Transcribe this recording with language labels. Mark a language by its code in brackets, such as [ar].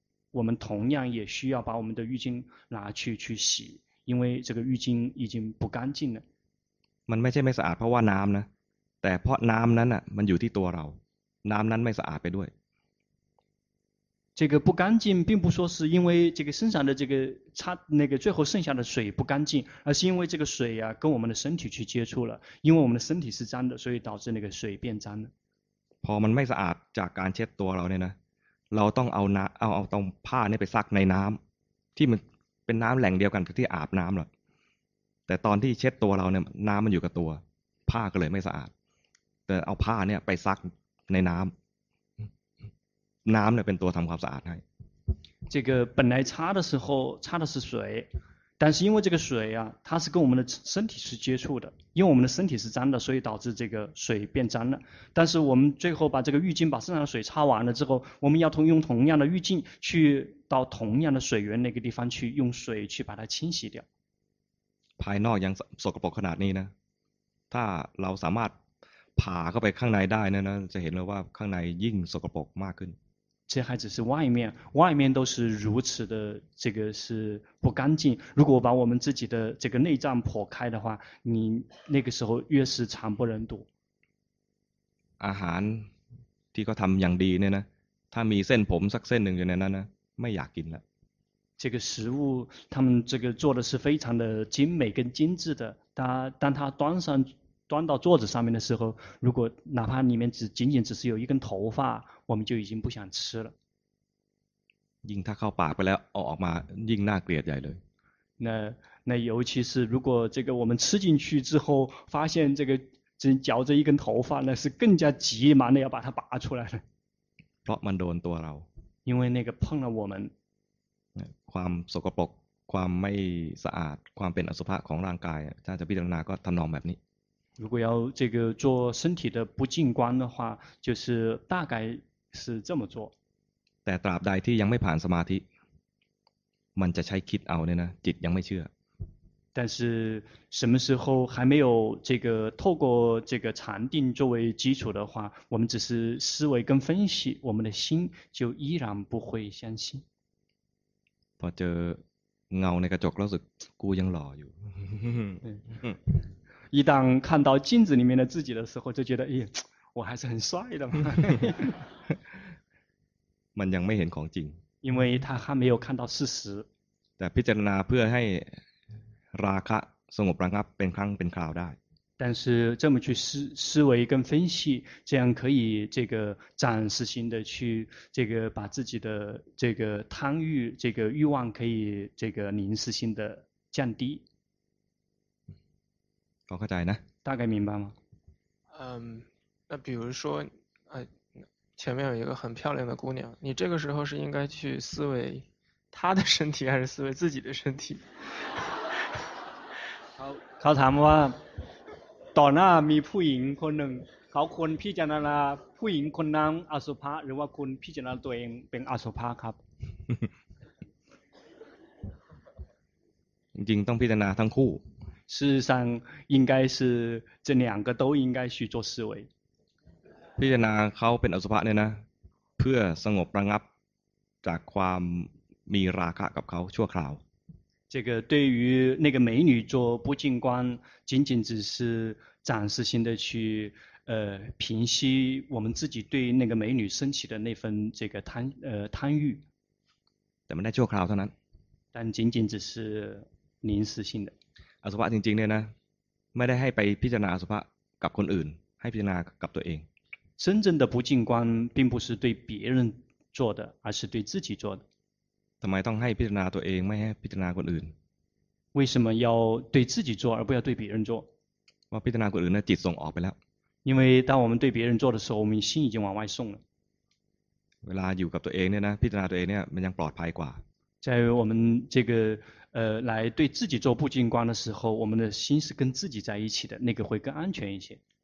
[zh] 我们同样也需要把我们的浴巾拿去洗，因为这个浴巾已经不干净了。 [th] มันไม่ใช่ไม่สะอาดเพราะว่าน้ำนะ，แต่เพราะน้ำนั้นน่ะมันอยู่ที่ตัวเรา，น้ำนั้นไม่สะอาดไปด้วย。 [zh] 这个不干净并不说是因为这个身上的这个擦那个最后剩下的水不干净，而是因为这个水啊跟我们的身体去接触了，因为我们的身体是脏的，所以导致那个水变脏了。 [th] พอมันไม่สะอาดจากการเช็ดตัวเราเนี่ยนะเราต้องเอาน้ำเอาตรงผ้าเนี่ยไปซักในน้ำที่มันเป็นน้ำแหล่งเดียวกันกับที่อาบน้ำแหละแต่ตอนที่เช็ดตัวเราเนี่ยน้ำมันอยู่กับตัวผ้าก็เลยไม่สะอาดแต่เอาผ้าเนี่ยไปซักในน้ำน้ำเนี่ยเป็นตัวทำความสะอาดให้ [zh] 这个本来擦的时候擦的是水但是因为这个水啊它是跟我们的身体是接触的因为我们的身体是脏的所以导致这个水变脏了但是我们最后把这个浴巾把身上的水擦完了之后我们要用同样的浴巾去到同样的水源那个地方去用水去把它清洗掉 [th] ภายนอกยังสกปรกขนาดนี้นะถ้าเราสามารถผ่าเข้าไปข้างในได้นะจะเห็นเลยว่าข้างในยิ่งสกปรกมากขึ้น [zh] 这还只是外面，外面都是如此的，这个是不干净。如果把我们自己的这个内脏剖开的话，你那个时候越是惨不忍睹。 [th] อาหารที่เขาทำอย่างดีเนี่ยนะถ้ามีเส้นผมสักเส้นหนึ่งอยู่ในนั้นนะไม่อยากกินละ [zh] 这个食物他们这个做的是非常的精美跟精致的，当他端到桌子上面的时候，如果哪怕里面仅仅只是有一根头发，我们就已经不想吃了。硬他靠把不来，哦嘛，硬那个也在了。那尤其是如果这个我们吃进去之后，发现这个只嚼着一根头发，那是更加急忙的要把它拔出来了。 [th] เพราะมันโดนตัวเรา。 [zh] 因为那个碰了我们。 [th] ความสกปรกความไม่สะอาดความเป็นอสุภะของร่างกายถ้าจะพิจารณาก็ทำนองแบบนี้ [zh] 如果要这个做身体的不净观的话，就是大概是这么做。 [th] แต่ตราบใดที่ยังไม่ผ่านสมาธิ，มันจะใช้คิดเอาเนี่ยนะจิตยังไม่เชื่อ。 [zh] 但是什么时候还没有这个透过这个禅定作为基础的话，我们只是思维跟分析，我们的心就依然不会相信。 [th] พอเจอเงาในกระจกรู้สึกกูยังหล่ออยู่ [zh] 一旦看到镜子里面的自己的时候，就觉得，哎，我还是很帅的嘛。 [th] มันยังไม่เห็นของจริง。 [zh] 因为他还没有看到事实。 [th] แต่พิจารณาเพื่อให้ราคะสงบระงับเป็นครั้งเป็นคราวได้。 [zh] 但是这么去思维跟分析，这样可以这个暂时性的去这个把自己的这个贪欲这个欲望可以这个临时性的降低。 [th] เข้าใจนะ [zh] 大概明白吗嗯那比如说前面有一个很漂亮的姑娘你这个时候是应该去思维她的身体还是思维自己的身体 [th] เขาถามว่าต่อหน้ามีผู้หญิงคนหนึ่งเขาควรพิจารณาผู้หญิงคนนั้นอสุภะหรือว่าคุณพิจารณาตัวเองเป็นอสุภะครับ จริงต้องพิจารณาทั้งคู่ [zh] 事实上应该是这两个都应该去做思维 [th] พิจารณาเขาเป็นอสุภะเนี่ยนะเพื่อสงบระงับจากความมีราคะกับเขาชั่วคราว [zh] 这个对于那个美女做不净观仅仅只是暂时性的去平息我们自己对那个美女升起的那份这个贪欲 [th] แต่มันได้ชั่วคราวเท่านั้น [zh] 但仅仅只是临时性的 [th] อสุภะจริงๆเนี่ยนะไม่ได้ให้ไปพิจารณาอสุภะกับคนอื่นให้พิจารณากับตัวเอง [zh] 真正的不净观并不是对别人做的而是对自己做的 [th] ทำไมต้องให้พิจารณาตัวเองไม่ให้พิจารณาคนอื่น [zh] 为什么要对自己做而不要对别人做 [th] ว่าพิจารณาคนอื่นนะจิตส่งออกไปแล้ว [zh] 因为当我们对别人做的时候我们心已经往外送了 [th] เวลาอยู่กับตัวเองเนี่ยนะพิจารณาตัวเองเนี่ยมันยังปลอดภัยกว่า [zh] 在我们这个来对自己做不净观的时候，我们的心是跟自己在一起的，那个会更安全一些。